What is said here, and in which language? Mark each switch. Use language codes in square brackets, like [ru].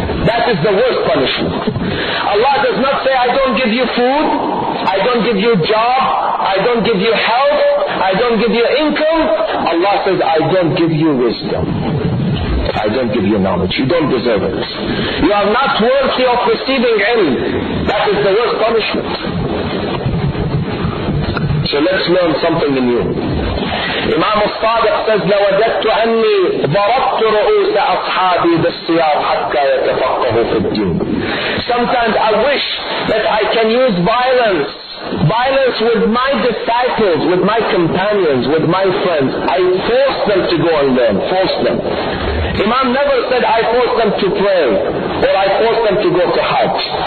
[en] That is the worst punishment. Allah does not say, I don't give you food, I don't give you job, I don't give you health, I don't give you income. Allah says, I don't give you wisdom. I don't give you knowledge. You don't deserve it. You are not worthy of receiving ilm. That is the worst punishment. So let's learn something new. Imam al-Sadiq says, [ar] لَوَجَدْتُ أَنِّي ضَرَبْتُ رُؤُوسَ أَصْحَابِي بِالسِّيَابِ حَتَّى يَتَفَقَّهُ فِي الدِّينِ. [en] Sometimes I wish that I can use violence. Violence with my disciples, with my companions, with my friends. I force them to go and learn. Force them. Imam never said, I force them to pray, or I force them to go to Hajj.